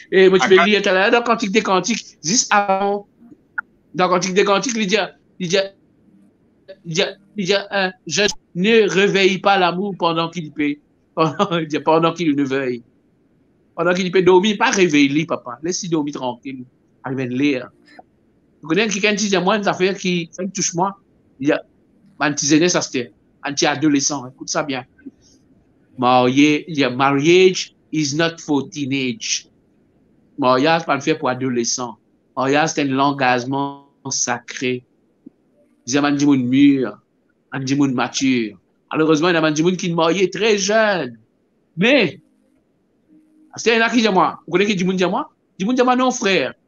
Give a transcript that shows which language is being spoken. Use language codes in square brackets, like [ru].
[fr] Et moi, tu peux lire tout à l'heure dans Cantique des Cantiques, juste avant. Dans Cantique des Cantiques, il dit, je ne réveille pas l'amour pendant qu'il peut. Pendant qu'il ne veille. Pendant qu'il peut dormir, pas réveille-lui, papa. Laisse-lui dormir tranquille. Arrive à lire. Vous connaissez quelqu'un qui dit, moi, une affaire qui touche moi, il y a un petit aîné, ça c'était un petit adolescent, écoute ça bien. [en] Marriage is not for teenage. [fr] Mariage, pas le faire pour adolescent. Mariage, c'est un engagement sacré. Il y a un petit monde mûr, un petit monde mature. Malheureusement, il y a un petit monde qui est marié très jeune. Mais, c'est un qui dit, moi, vous connaissez qui dit, moi, non, frère.